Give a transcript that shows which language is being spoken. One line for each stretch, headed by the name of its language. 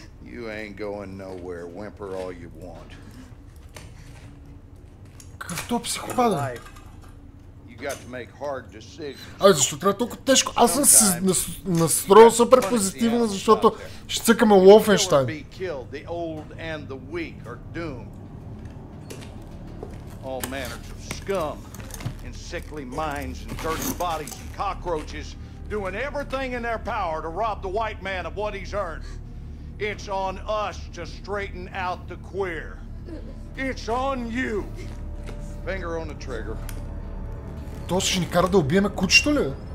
English: You ain't going nowhere. Whimper all you want.
Bulgarian: Какво психопада?
English: You got to make hard decisions.
Bulgarian: Ай, защо трябва толкова тежко? Аз съм се настроил супер позитивно, защото ще цъкаме Wolfenstein.
English: The killed, the old and the weak are doomed. All manners of scum. And sickly minds and dirty bodies and cockroaches doing everything in their power to rob the white man of what he's earned. It's on us to straighten out the queer. It's on you. Finger on the trigger.
Bulgarian: То ще ни кара да убиеме кучето ли?